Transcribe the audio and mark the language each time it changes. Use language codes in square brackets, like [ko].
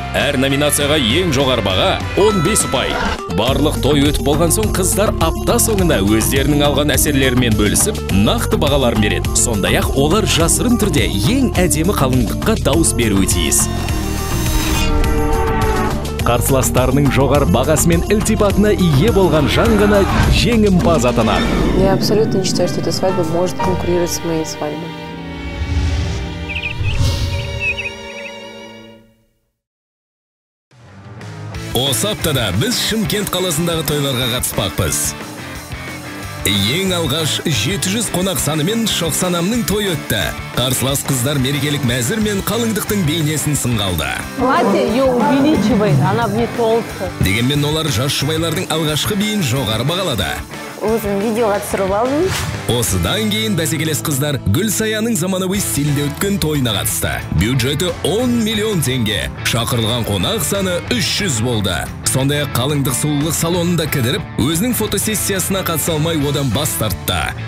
[kk] Әр номинацияға ең жоғары баға 15 ұпай. Барлық той өтіп болған соң қыздар апта соңына өздерінің алған әсерлерімен бөлісіп, нақты бағалар береді. Сондай-ақ олар жасырын түрде ең әдемі қалыңдыққа дауыс беруі тиіс. Қарсыластарының жоғары бағасымен ілтипатына ие болған жан ғана жеңімпаз атанады. [ru] Я абсолютно не считаю, что эта свадьба может конкурировать с моей свадьбой. [kk] Осы аптада біз Шымкент қаласындағы тойларға қатыспақпыз. Ең алғаш 700 қонақ санымен Шоқсанамның той өтті. Қарсылас қыздар мерекелік мәзір мен қалыңдықтың бейнесін сыңғалды. [ru] Платье ее увеличивает, она мне толстая. [kk] Дегенмен олар жас шұбайлардың алғашқы бейін жоғары бағалады. Өзім видеоға түсіріп алдым. Осыдан кейін бәсекелес қыздар Гүлсаяның заманауи стилде өткен тойына қатысты. Бюджеті 10 миллион теңге. Шақырылған қонақ саны 300 болды. Сондай қалыңдық сұлулық салонында кідіріп, өзінің фотосессиясына қатыса алмай одан бас тартты.